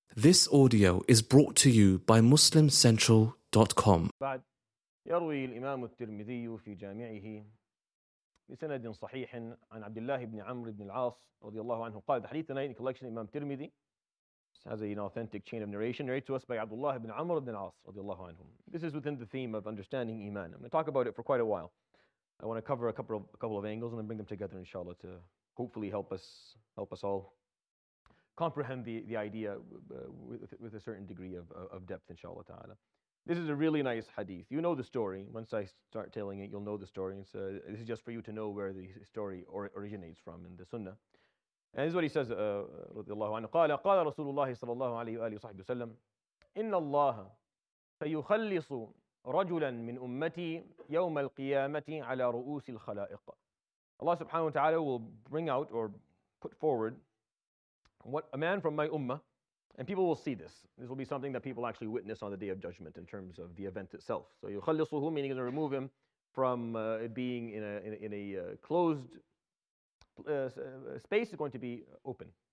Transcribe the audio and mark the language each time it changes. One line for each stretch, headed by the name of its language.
English: This audio is brought to you by MuslimCentral.com.
Arabic: بعد يروي الإمام الترمذي في جامعه بسند صحيح عن عبد الله بن عمرو بن العاص رضي الله عنه قال حديث
English: in collection Imam Tirmidhi. This has an authentic chain of narration narrated to us by Abdullah ibn Amr ibn al-As رضي الله عنه. This is within the theme of understanding Iman. I'm going to talk about it for quite a while. I want to cover a couple of angles and then bring them together inshallah to hopefully help us all comprehend the idea with a certain degree of depth, inshallah ta'ala. This is a really nice hadith. You know the story. Once I start telling it, you'll know the story. And so this is just for you to know where the story originates from in the sunnah. And this is what he says,
Arabic: radiallahu anhu, قال رسول الله صلى الله عليه وآله وصحبه وسلم, إن الله فيخلص رجلا من أمتي يوم القيامة على رؤوس الخلائق.
English: Allah subhanahu wa ta'ala will bring out or put forward what a man from my ummah, and people will see this. This will be something that people actually witness on the Day of Judgment in terms of the event itself. So يُخَلِّصُهُ, meaning he's going to remove him from being in a closed space, is going to be open.